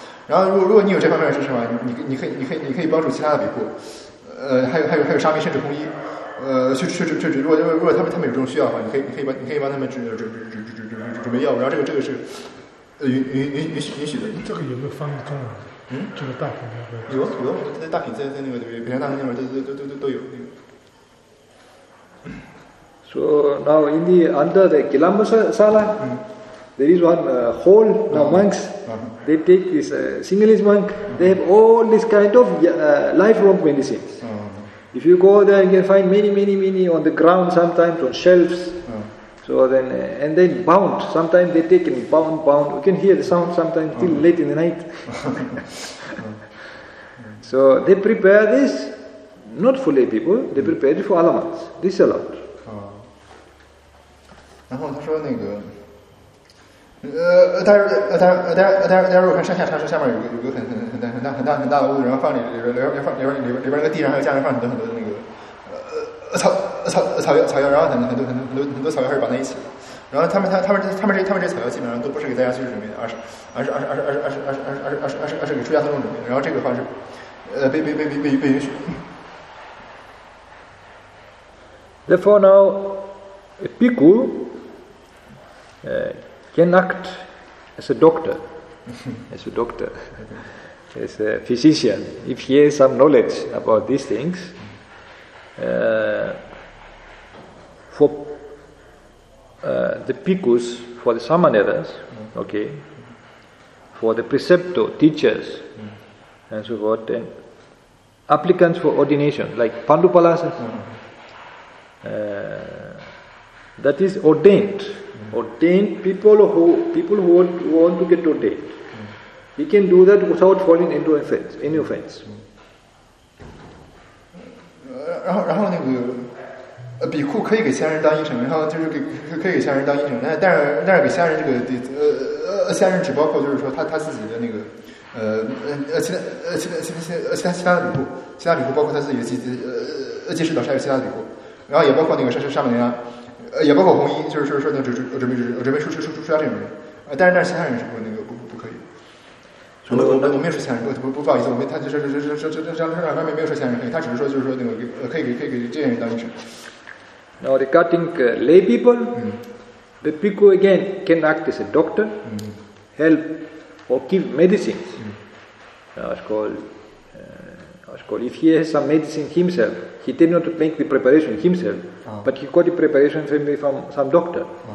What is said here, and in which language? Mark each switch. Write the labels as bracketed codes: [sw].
[zh] 然后如果你有这方面的知识的话，你可以帮助其他的比库，还有沙弥甚至红衣，去如果他们有这种需要的话，你可以帮他们准备药物，然后这个是允许的。这个有没有翻译中文？这个大品有大品在那个对北山大神那边都有。 [en] So now in the under the Kilambasala, there is one hole. Now monks, they take this Sinhalese monk. They have all this kind of lifelong medicines. If you go there, you can find many on the ground, sometimes on shelves. So then, and then bound. Sometimes they take and bound. You can hear the sound sometimes till late in the night. So they prepare this not for lay people. They prepare it for alamans. This is allowed. [zh] 然后他说那个，但是如果看上下茶室下面有个很大的屋子，然后放里边那个地上还有家人放很多那个草药，然后很多草药还是绑在一起，然后他们这草药基本上都不是给大家去准备的，而是给出家僧众准备的，然后这个话是被允许。 [en] Therefore now, a bhikkhu can act as a doctor, as a physician, if he has some knowledge about these things, for the bhikkhus, for the samaneras, okay, for the preceptor, teachers, and so forth, and applicants for ordination, like Pandupalasas, that is ordained. Ordained people who want to get ordained. He can do that without falling into any offense. [zh] 然后那个比库可以给其他人当医生，然后就是可以给其他人当医生，但是给其他人这个其他人只包括就是说他自己的那个其他比库包括他自己的即师导师还有其他的比库。然后也包括那个沙曼尼拉，也包括红衣，就是说那准备出家这种人，但是其他人是不可以。我没有说其他人不好意思，我没他就是这上面没有说其他人可以，他只是说就是说那个可以给这些人当医生。 [en] Now regarding lay people, the bhikkhu again can act as a doctor, help or give medicines. If he has some medicine himself, he did not make the preparation himself, but he got the preparation from some doctor.